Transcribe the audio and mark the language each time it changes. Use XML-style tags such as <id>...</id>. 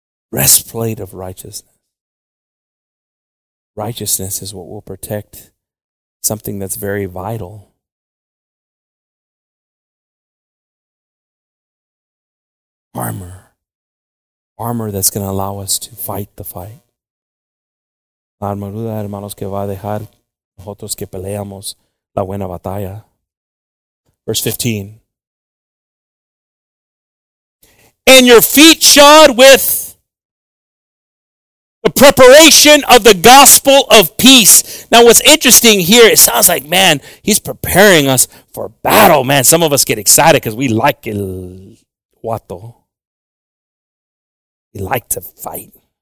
<en>Breastplate of righteousness. Righteousness is what will protect something that's very vital. Armor. Armor that's going to allow us to fight the fight.</en> <es>La armadura, hermanos, que va a dejar nosotros que peleamos la buena batalla.</es> <en>Verse 15. And your feet shod with the preparation of the gospel of peace. Now, what's interesting here, it sounds like, man, he's preparing us for battle. Man, some of us get excited because we like el guato. We like to fight.</en>